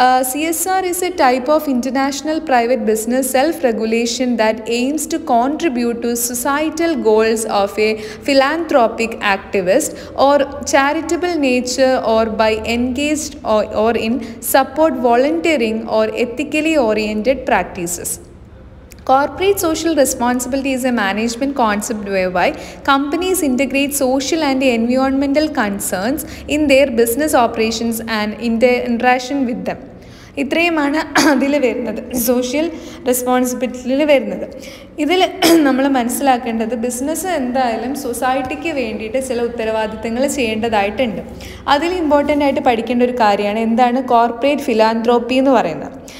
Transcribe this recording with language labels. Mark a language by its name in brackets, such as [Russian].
[English] C S R is a type of international private business self regulation that aims to contribute to societal goals of a philanthropic activist or charitable nature or by engaged or in support volunteering or ethically oriented practices. Corporate social responsibility is a management concept whereby companies integrate social and environmental concerns in their business operations and in their interaction with them. [Malayalam] ഇത്രയുമാണ് അതിൽ വരുന്നത്, social റെസ്പോൺസിബിലിറ്റിയിൽ വരുന്നത്. ഇതിൽ നമ്മൾ മനസ്സിലാക്കേണ്ടത് business എന്തായാലും സൊസൈറ്റിക്ക് വേണ്ടിയിട്ട് ചില ഉത്തരവാദിത്തങ്ങൾ ചെയ്യേണ്ടതായിട്ടുണ്ട്. അതിൽ ഇമ്പോർട്ടൻ്റ് ആയിട്ട് പഠിക്കേണ്ട ഒരു കാര്യമാണ് എന്താണ് കോർപ്പറേറ്റ് ഫിലാൻത്രോപ്പി എന്ന് പറയുന്നത്.